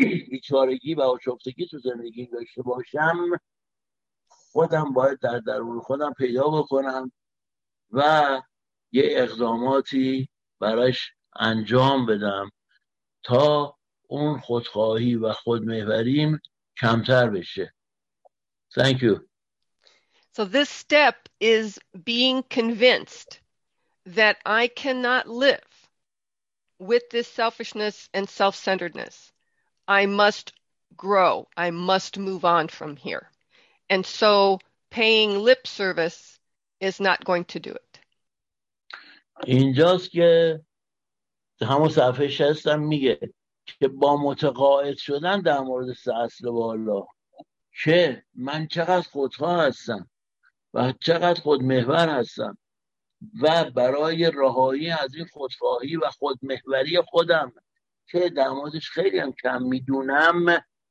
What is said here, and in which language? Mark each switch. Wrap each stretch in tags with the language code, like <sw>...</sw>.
<fa>بیچارگی و آشفتگی تو زندگی داشته باشم، خودم باید در درون خودم پیدا بکنم و یه اقداماتی براش انجام بدم تا اون خودخواهی و خودمحوریم کمتر بشه.</fa> <en>Thank you. So this step is being convinced that I cannot live with this selfishness and self-centeredness. I must grow. I must move on from here. And so paying lip service is not going to do it.</en> <fa>اینجاست که همون صفحه 60 هم میگه که با متقاعد شدن در مورد اصل و والا که من چقدر خودخواه هستم و چقدر خودمحور هستم و برای رهایی از این خودخواهی و خودمحوری خودم که در موردش خیلی هم کم میدونم،</fa>